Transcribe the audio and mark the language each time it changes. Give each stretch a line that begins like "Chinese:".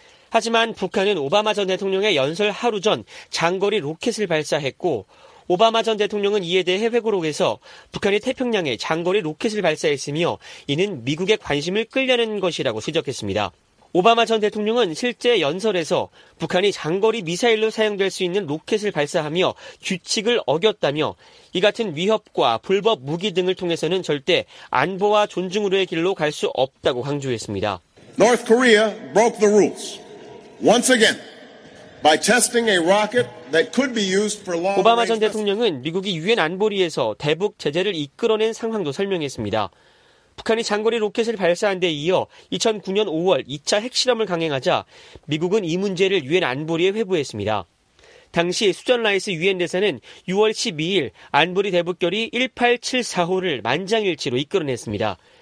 Korean: 하지만 북한은 오바마 전 대통령의 연설 하루 전 장거리 로켓을 발사했고 오바마 전 대통령은 이에 대해 회고록에서 북한이 태평양에 장거리 로켓을 발사했으며 이는 미국의 관심을 끌려낸 것이라고 지적했습니다. 오바마 전 대통령은 실제 연설에서 북한이 장거리 미사일로 사용될 수 있는 로켓을 발사하며 규칙을 어겼다며 이 같은 위협과 불법 무기 등을 통해서는 절대 안보와 존중으로의 길로 갈 수 없다고 강조했습니다.
English: North Korea broke the rules once again by testing a rocket that could be used for long-range.
Korean: 오바마 전 대통령은 미국이 유엔 안보리에서 대북 제재를 이끌어낸 상황도 설명했습니다. 북한이 장거리 로켓을 발사한 데 이어 2009년 5월 2차 핵실험을 강행하자 미국은 이 문제를 유엔 안보리에 회부했습니다. 당시 수잔 라이스 유엔 대사는 6월 12일 안보리 대북결의 1874호를 만장일치로 이끌어냈습니다.